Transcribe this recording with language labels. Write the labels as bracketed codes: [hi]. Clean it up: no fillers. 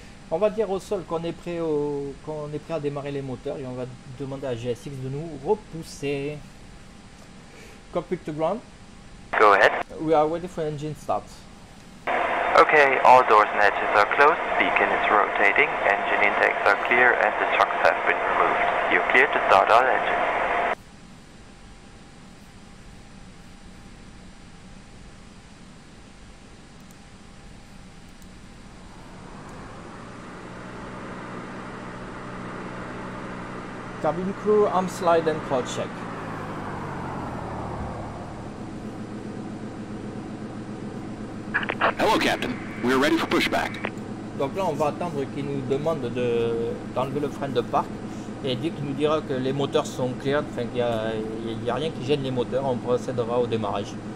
[fr] On va dire au sol qu'on est prêt au qu'on est prêt à démarrer les moteurs et on va demander à GSX de nous repousser. [en] Cockpit to ground. Go ahead. We are waiting for engine start. Okay, all doors and hatches are closed, beacon is rotating, engine intakes are clear and the shocks have been removed. You're clear to start all engines. Cabin crew, arm slide and crawl check. Hello Captain, we are ready for pushback. [fr] Donc là on va attendre qu'il nous demande de d'enlever le frein de parc et dès qu'il nous dira que les moteurs sont clairs, enfin qu'il y a rien qui gêne les moteurs, on procédera au démarrage.